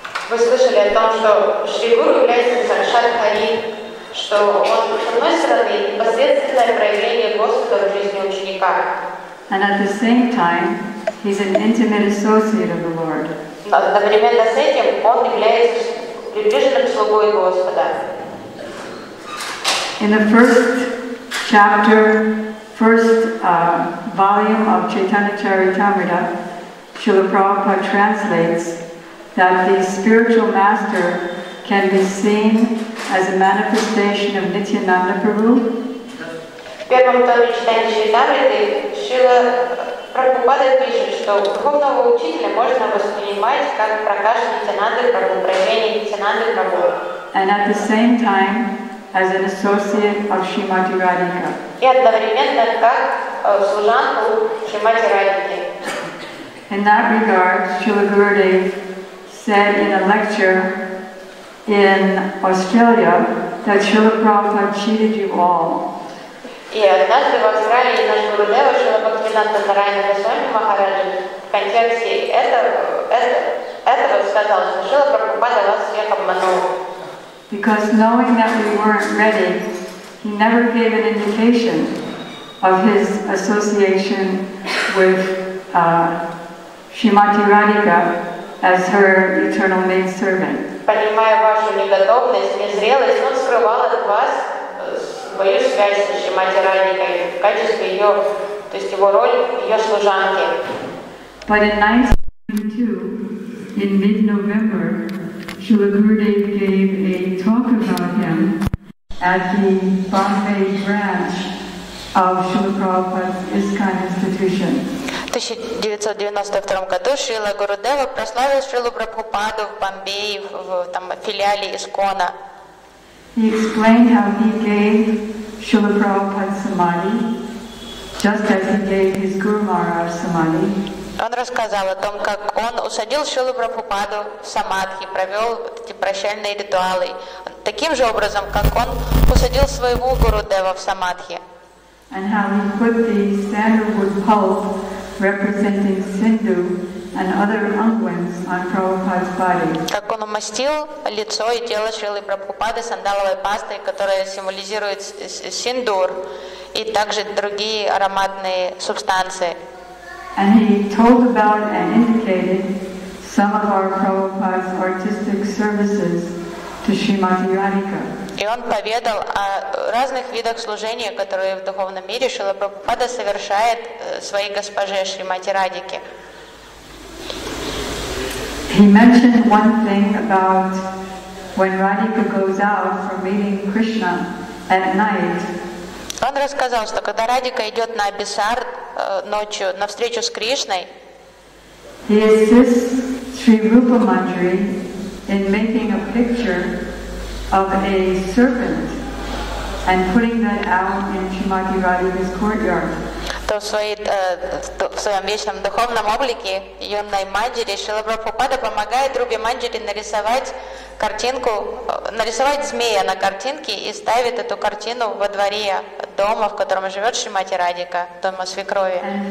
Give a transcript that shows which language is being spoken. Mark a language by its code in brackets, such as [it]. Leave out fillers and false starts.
[ru] Вы слышали о том, что Шри Гуру является Саршатхари, что он, с одной стороны, непосредственное проявление Господа в жизни ученика. [en] And at the same time, he's an intimate associate of the Lord. [ru] Одновременно с этим он является приближенным слугой Господа. [en] In the first chapter, first volume of Chaitanya Charitamrita, Srila Prabhupada translates that the spiritual master can be seen as a manifestation of Nityananda Prabhu. [ru] Первом томе читания Чайтамриты Шрила Прабхупада пишет, что духовного учителя можно воспринимать как прокаш Нитянанды Прабху, проявление Нитянанды Прабху. [en] And at the same time, as an associate of Шримати Радхика. [ru] И одновременно как служанку Шримати Радхики. [en] In that regard, Srila Gurudev said in a lecture in Australia that Srila Prabhupada cheated you all. [ru] И однажды в Австралии наш Гурудев, Шрила Бхактивинанта Нарайана Госвами Махараджи, в контексте этого сказал, что Шрила Прабхупада вас всех обманул. [en] Because knowing that we weren't ready, he never gave an indication of his association with Srimati Radhika as her eternal maid servant. [ru] Понимая вашу неготовность, незрелость, он скрывал от вас свою связь с Шримати Радхикой в качестве ее, то есть его роль, ее служанки. [en] But in 1992, in mid-November, Srila Gurudev gave a talk about him at the Bombay branch of Srila Prabhupada's ISKCON institution. [ru] В 1992 году Шрила Гурудева прославил Шрилу Прабхупаду в Бомбее, в там, филиале ИСКОНа. [en] He explained how he gave Srila Prabhupada Samadhi, just as he gave his Guru Maharaj Samadhi. [ru] Он рассказал о том, как он усадил Шрилу Прабхупаду в Самадхи, провел вот эти прощальные ритуалы, таким же образом, как он усадил своего Гурудева в Самадхи. [en] And how he put the sandalwood pulp representing Sindhu and other unguents on Prabhupada's body. [ru] Как он умастил лицо и тело Шрилы Прабхупады сандаловой пастой, которая символизирует синдур и также другие ароматные субстанции. [en] And he told about and indicated some of our Prabhupada's artistic services to Srimati Radhika. [ru] И он поведал о разных видах служения, которые в духовном мире Шрила Прабхупада совершает своей госпоже Шримати Радхике. [en] He mentioned one thing about when Radhika goes out for meeting Krishna at night. [ru] Он рассказал, что когда Радика идет на Абисар ночью, на встречу с Кришной, [en] he assists Sri Rupa Mandri in making a picture of a serpent and putting that out in Srimati Radhika's courtyard. [ru] То в своем вечном духовном облике юной Манджири Шрила Прабхупада помогает Рупе Манджири нарисовать картинку, нарисовать змея на картинке и ставит эту картину во дворе дома, в котором живет Шримати Радика, дома свекрови.